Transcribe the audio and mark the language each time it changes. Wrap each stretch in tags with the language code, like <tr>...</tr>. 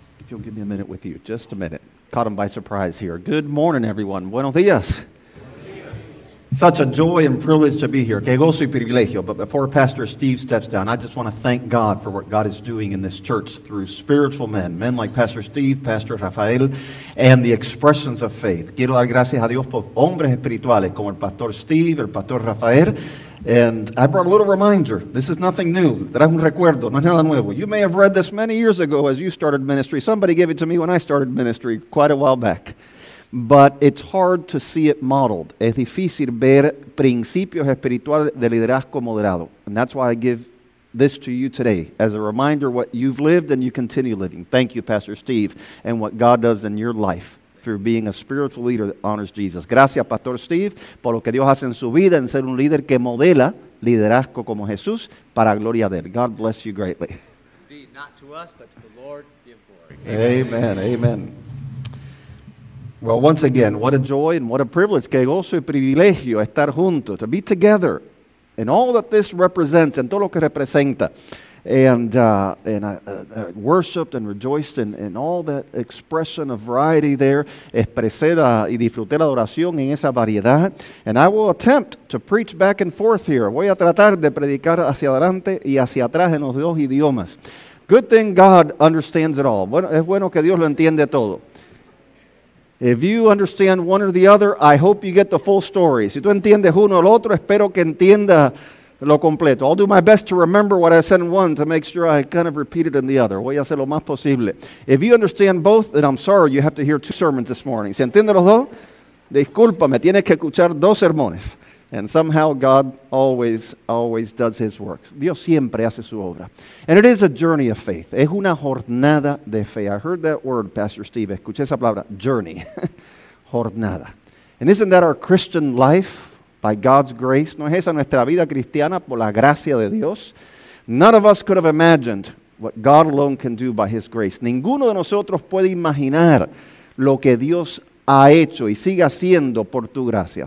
<en>If you'll give me a minute with you, just a minute. Caught him by surprise here. Good morning, everyone.</en> <es>Buenos dias.</es> <en>Such a joy and privilege to be here.</en> <es>Que gozo y privilegio.</es> <en>But before Pastor Steve steps down, I just want to thank God for what God is doing in this church through spiritual men, men like Pastor Steve, Pastor Rafael, and the expressions of faith.</en> <es>Quiero dar gracias a Dios por hombres espirituales como el Pastor Steve, el Pastor Rafael.</es> <en>And I brought a little reminder. This is nothing new.</en> <es>Trae un recuerdo, no es nada nuevo.</es> <en>You may have read this many years ago as you started ministry. Somebody gave it to me when I started ministry quite a while back. But it's hard to see it modeled.</en> <es>Es difícil ver principios espirituales de liderazgo moderado.</es> <en>And that's why I give this to you today as a reminder what you've lived and you continue living. Thank you, Pastor Steve, and what God does in your life through being a spiritual leader that honors Jesus.</en> <es>Gracias, Pastor Steve, por lo que Dios hace en su vida en ser un líder que modela liderazgo como Jesús para gloria de él.</es> <en>God bless you greatly. Indeed, not to us, but to the Lord be of glory. Amen, amen. Amen. Well, once again, what a joy and what a privilege.</en> <es>Que gozo y privilegio estar juntos,</es> <en>to be together, and all that this represents, and</en> <es>todo lo que representa.</es> <en>And I worshipped and rejoiced in all that expression of variety there.</en> <es>Expresé y disfruté la oración en esa variedad.</es> <en>And I will attempt to preach back and forth here.</en> <es>Voy a tratar de predicar hacia adelante y hacia atrás en los dos idiomas.</es> <en>Good thing God understands it all.</en> <es>Bueno, es bueno que Dios lo entiende todo.</es> <en>If you understand one or the other, I hope you get the full story.</en> <es>Si tú entiendes uno o el otro, espero que entienda lo completo.</es> <en>I'll do my best to remember what I said in one to make sure I kind of repeat it in the other.</en> <es>Voy a hacer lo más posible.</es> <en>If you understand both, then I'm sorry you have to hear 2 sermons this morning.</en> <es>Si entiendes los dos, discúlpame, tienes que escuchar 2 sermones.</es> <en>And somehow God always, always does his works.</en> <es>Dios siempre hace su obra.</es> <en>And it is a journey of faith.</en> <es>Es una jornada de fe.</es> <en>I heard that word, Pastor Steve.</en> <es>Escuché esa palabra, journey. Jornada.</es> <en>And isn't that our Christian life by God's grace?</en> <es>¿No es esa nuestra vida cristiana por la gracia de Dios?</es> <en>None of us could have imagined what God alone can do by his grace.</en> <es>Ninguno de nosotros puede imaginar lo que Dios ha hecho y sigue haciendo por tu gracia.</es>